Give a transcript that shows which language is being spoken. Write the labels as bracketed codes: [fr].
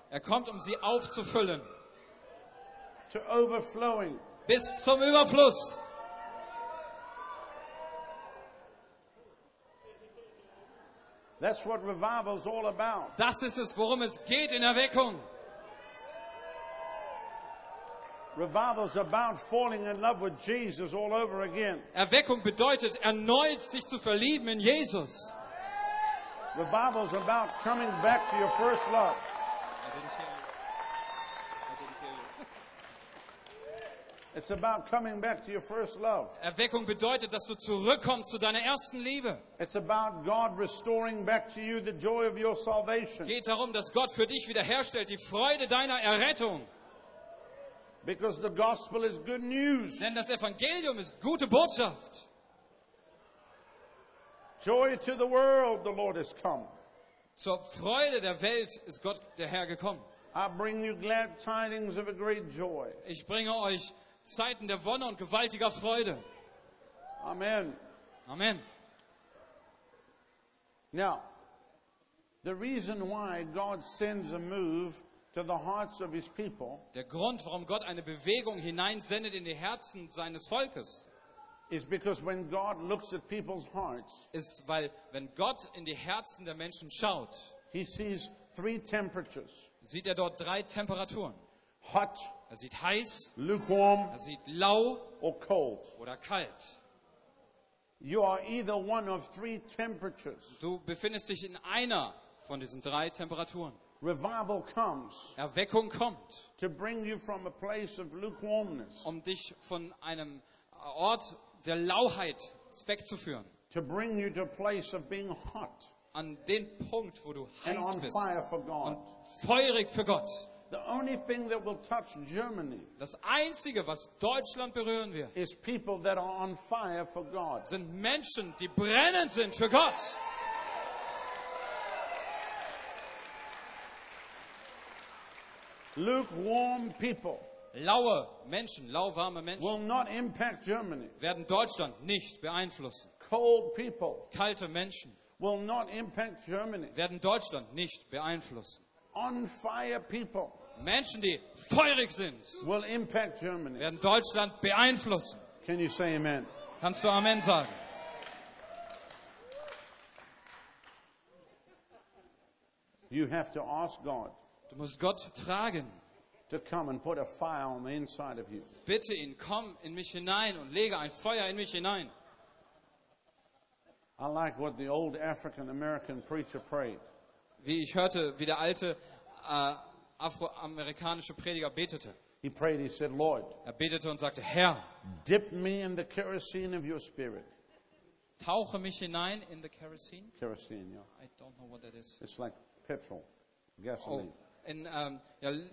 [de] Er kommt, um sie aufzufüllen. [en] To overflowing. [de] Bis zum Überfluss. [en] That's what revival is all about. [de] Das ist es, worum es geht in Erweckung. [en] Revival is about falling in love with Jesus all over again. [de] Erweckung bedeutet, erneut sich zu verlieben in Jesus. [en] Revival is about coming back to your first love. It's about coming back to your first love. [de] Erweckung bedeutet, dass du zurückkommst zu deiner ersten Liebe. [en] It's about God restoring back to you the joy of your salvation. [de] Geht darum, dass Gott für dich wiederherstellt die Freude deiner Errettung. [en] Because the gospel is good news. [de] Denn das Evangelium ist gute Botschaft. [en] Joy to the world, the Lord has come. [de] Zur Freude der Welt ist Gott der Herr gekommen. [en] I bring you glad tidings of a great joy. [de] Ich bringe euch Zeiten der Wonne und gewaltiger Freude. Amen. Amen. [en] Now, the reason why God sends a move to the hearts of his people, [de] der Grund, warum Gott eine Bewegung hineinsendet in die Herzen seines Volkes, [en] is because when God looks at people's hearts, [de] ist, weil wenn Gott in die Herzen der Menschen schaut, [en] he sees three temperatures. [de] Sieht er dort drei Temperaturen. [en] Hot, [de] er sieht heiß, [en] lukewarm, [de] er sieht lau, [en] or cold, [de] oder kalt. [en] You are either one of three temperatures. [de] Du befindest dich in einer von diesen drei Temperaturen. [en] Revival comes. [de] Erweckung kommt. [en] To bring you from a place of lukewarmness. [de] Um dich von einem Ort der Lauheit wegzuführen. [en] To bring you to a place of being hot. [de] An den Punkt, wo du heiß [en] and on [de] bist. [en] Fire for God. [de] Und feurig für Gott. [en] The only thing that will touch Germany. [de] Das einzige, was Deutschland berühren wird. [en] Is people that are on fire for God. [de] Sind Menschen, die brennend sind für Gott. [en] Lukewarm people. [de] Laue Menschen, lauwarme Menschen [en] will not impact Germany. [de] Werden Deutschland nicht beeinflussen. [en] Cold people. [de] Kalte Menschen [en] will not impact Germany. [de] Werden Deutschland nicht beeinflussen. [en] On fire people. [de] Menschen, die feurig sind, [en] will impact Germany. [de] Werden Deutschland beeinflussen. [en] Can you say amen? [de] Kannst du Amen sagen? [en] You have to ask God. [de] Du musst Gott fragen. [en] To come and put a fire on the inside of you. [de] Bitte ihn, komm in mich hinein und lege ein Feuer in mich hinein. [en] I like what the old African American preacher prayed. [de] Wie ich hörte, wie der alte afroamerikanische Prediger betete. [en] He prayed, he said, Lord, [de] er betete und sagte, Herr, [en] dip me in the kerosene of your spirit. [de] Tauche mich hinein in [en] the kerosene. Kerosene, yeah. I don't know what that is. It's like petrol, gasoline. Oh,